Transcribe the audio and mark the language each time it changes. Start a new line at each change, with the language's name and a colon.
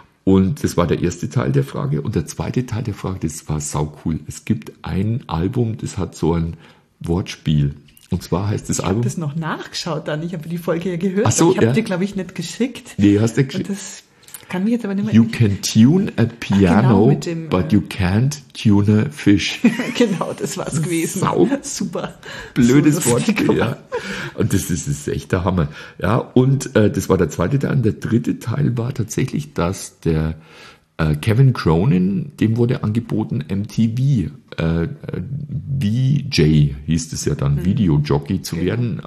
German: Und das war der erste Teil der Frage. Und der zweite Teil der Frage, das war sau cool. Es gibt ein Album, das hat so ein Wortspiel. Und zwar heißt das Album... Ich habe das noch nachgeschaut dann, ich habe die Folge ja gehört. Ach so, ich habe dir, glaube ich, nicht geschickt. Nee, hast du geschickt. Kann mich jetzt aber nicht mehr
English: you can tune a piano, but you can't tune a fish.
German: Genau, das war's gewesen. Sau. Super. Blödes so Wortspiel, ja. Und das ist echt der Hammer. Ja, und das war der zweite Teil. Und der dritte Teil war tatsächlich, dass der Kevin Cronin, dem wurde angeboten, MTV, VJ hieß es ja dann, Videojockey zu werden.